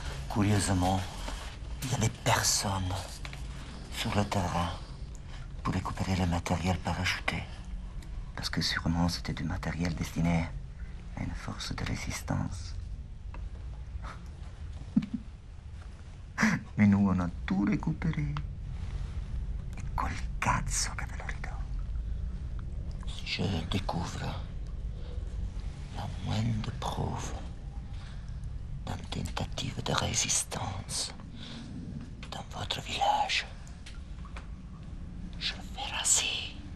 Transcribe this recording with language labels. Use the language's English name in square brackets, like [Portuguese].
[French] Curieusement, il n'y avait personne sur le terrain pour récupérer le matériel parachuté. Parce que sûrement, c'était du matériel destiné à une force de résistance. Mais nous, on a tout récupéré. [Italian] Et col cazzo che ve lo ridò. [French] Je découvre la moindre preuve d'une tentative de résistance dans votre village. Je vais raser.